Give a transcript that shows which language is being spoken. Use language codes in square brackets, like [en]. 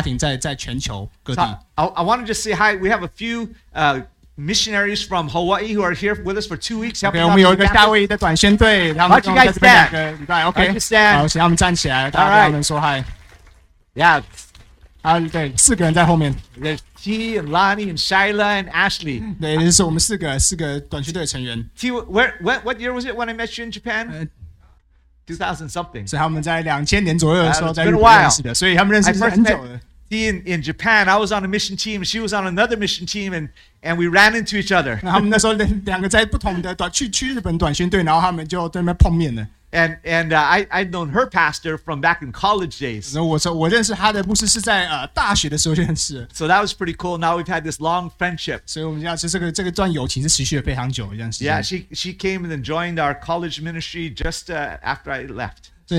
[zh] 那我今天想要花时间提一下，说我们今天是在欢庆我们这个家庭14周年，但是还有其他的家庭在全球各地。 [en] So I want to just say hi. We have a few missionaries from Hawaii who are here with us for 2 weeks. Okay, we have a [zh] Hawaii 的短宣队，他们在这边两个礼拜。 [en] Okay, stand. [zh] 好，请他们站起来，大家跟他们说hi. [en] Yeah. [zh] 对，四个人在后面。 [en] There's T and Lonnie and Shyla and Ashley. [zh] 对，就是我们四个短期队的成员。 [en] T, what year was it when I met you in Japan? 2000 something. [zh] 所以他们在2000年左右的时候在日本认识的，所以他们认识是很久的。 [en] T in Japan, I was on a mission team, she was on another mission team, and we ran into each other. [zh] 他们那时候两个在不同的短去日本短宣队，然后他们就在那边碰面了。 [en] And I'd known her pastor from back in college days. So that was pretty cool. Now we've had this long friendship. Yeah, she came and then joined our college ministry just after I left.